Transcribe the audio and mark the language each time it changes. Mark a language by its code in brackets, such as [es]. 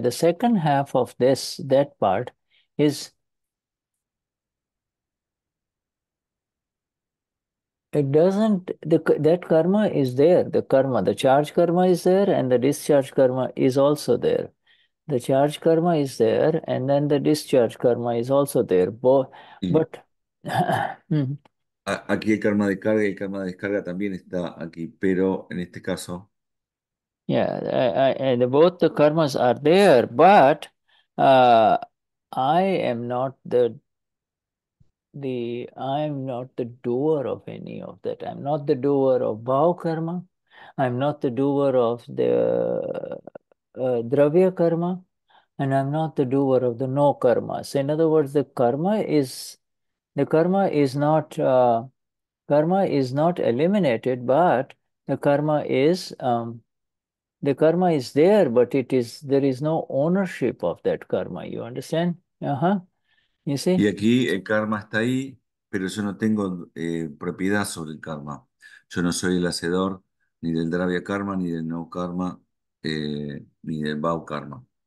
[en] the second half of this, that part, is it doesn't the that karma is there. The karma, the charge karma is there, and the discharge karma is also there. The charge karma is there, and then the discharge karma is also there. Both, but. [es] Aquí el karma de carga y el karma de descarga también está aquí, pero en este caso. [en] Yeah, and both the karmas are there, but I am not the I am not the doer of any of that. I'm not the doer of bhav karma. I'm not the doer of the dravya karma, and I'm not the doer of the no karma. So in other words, the karma is not eliminated, but the karma is there, but there is no ownership of that karma. You understand? You [es] Y [en] see? [es] aquí el karma está ahí, pero yo no tengo propiedad sobre el karma. Yo no soy el hacedor ni del dravya karma, ni del no karma, ni del bau karma.